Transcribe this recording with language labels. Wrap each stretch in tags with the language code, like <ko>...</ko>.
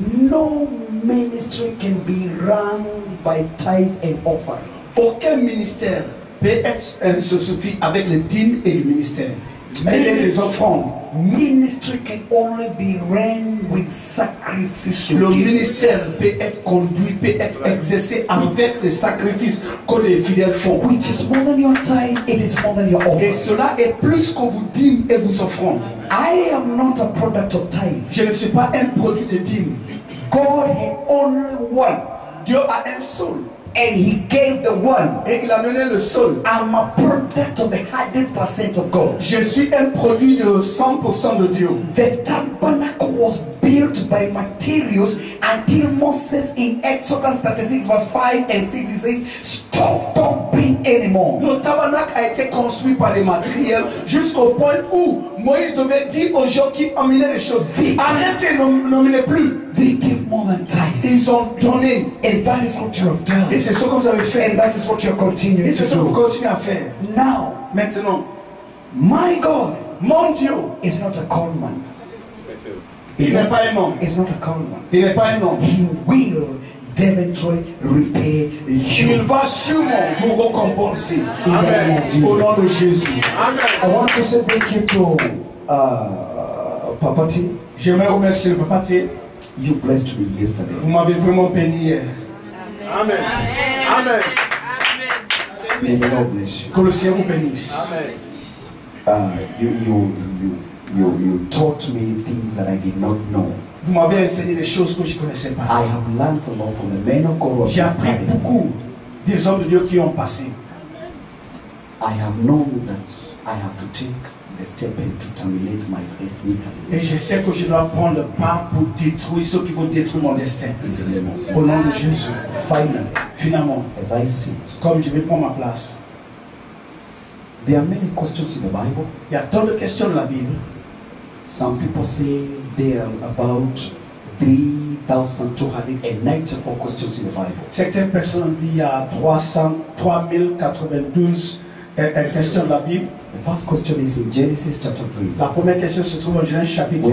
<en>No ministry can be run by tithe and offering.</en> <fr>Aucun ministère peut être se suffit avec le dîme et le ministère. Et les offrandes.</fr> <en>Ministry can only be run with sacrificial.</en> <fr>Le ministère peut être conduit, peut être exercé avec le sacrifice que les fidèles font.</fr> <en>Which is more than your tithe, it is more than your offering.</en> <fr>Et cela est plus que vous dîmes et vous offrandes.</fr> <en>I am not a product of tithe.</en> <fr>Je ne suis pas un produit de dîme.</fr> <en>God is only one.</en> <fr>Dieu a un seul.</fr> <en>And he gave the one.</en> <fr>Et il a donné le seul.</fr> <en>I'm a product of the 100% of God.</en> <fr>Je suis un produit de 100% de Dieu.</fr> <en>The tabernacle was built by materials until Moses in Exodus 36 verse 5 and 6 he says, stop pumping anymore.</en> <fr>Le tabernacle a été construit par des matériels jusqu'au point où Moïse devait dire aux gens qui emmenaient les choses, arrêtez, n'emmenez plus.</fr> <en>They give more than tithe.</en> <fr>Ils ont donné.</fr> <en>And that is what you have done.</en> <fr>Et c'est ce que vous avez fait.</fr> <en>And that is what you are continuing to do.</en> <fr>Et c'est ce que vous continuez à faire.</fr> <en>Now,</en> <fr>maintenant,</fr> <en>my God,</en> <fr>mon Dieu,</fr> <en>is not a con man.</en> <fr>Il n'est pas un homme.</fr> <en>He's not a con man.</en> <fr>Il n'est pas un homme.</fr> <en>He will demonstrate repay you.</en> <fr>Il va sûrement vous récompenser.</fr> <en>Amen.</en> <fr>Au nom de Jésus.</fr> <en>Amen. I want to say thank you to Papa T.</en> <fr>J'aimerais remercier le Papa T.</fr> <en>You blessed me yesterday.</en> <fr>Vous m'avez vraiment béni hier.</fr> <en>Amen. Amen. Amen. May God bless you.</en> <fr>Que le Seigneur vous bénisse.</fr> <en>Amen. You taught me things that I did not know.</en> <fr>Vous m'avez enseigné des choses que je ne connaissais pas.</fr> <en>I have learned a lot from the men of God.</en> <fr>J'ai appris beaucoup des hommes de Dieu qui ont passé.</fr> <en>I have known that I have to take the step to terminate my destiny.</en> <fr>Et je sais que je dois prendre le pas pour détruire ceux qui vont détruire mon destin. Au nom de Jésus.</fr> <en>Finalement, as I sit,</en> <fr>comme je vais prendre ma place.</fr> <en>There are many questions in the Bible.</en> <fr>Il y a tant de questions dans la Bible.</fr> <en>Some people say there are about 3,294 questions in the Bible.</en> <fr>Certaines personnes disent qu'il y a 3,092 questions dans la Bible.</fr> <en>The first question is in Genesis chapter 3.</en> <fr>La première question se trouve en Genèse chapitre 3.</fr>